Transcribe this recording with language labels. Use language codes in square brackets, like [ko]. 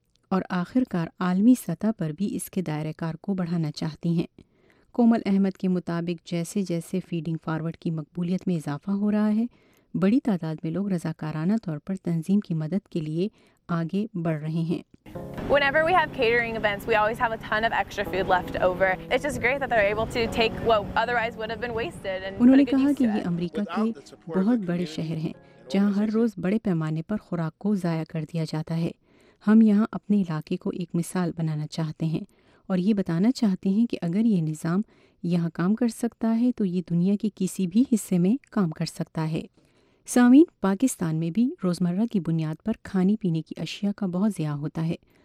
[ur] اور آخر کار عالمی سطح پر بھی اس کے دائرہ کار کو بڑھانا چاہتی ہیں۔ کومل احمد کے مطابق، جیسے جیسے فیڈنگ فارورڈ کی مقبولیت میں اضافہ ہو رہا ہے، بڑی تعداد میں لوگ رضاکارانہ طور پر تنظیم کی مدد کے لیے آگے بڑھ رہے ہیں۔ [en] Whenever we have catering events, we always have a ton of extra food left over. It's just great that they're able to take what otherwise would have been wasted and [ur] انہوں نے کہا کہ یہ امریکہ کے بہت بڑے شہر ہیں جہاں ہر روز بڑے پیمانے پر خوراک کو ضائع کر دیا جاتا ہے۔ ہم یہاں اپنے علاقے کو ایک مثال بنانا چاہتے ہیں اور یہ بتانا چاہتے ہیں کہ اگر یہ نظام یہاں کام کر سکتا ہے تو یہ دنیا کے کسی بھی حصے میں کام کر سکتا ہے۔ سامعین، پاکستان میں بھی روزمرہ کی بنیاد پر کھانے پینے کی اشیاء کا بہت ضیاع ہوتا ہے۔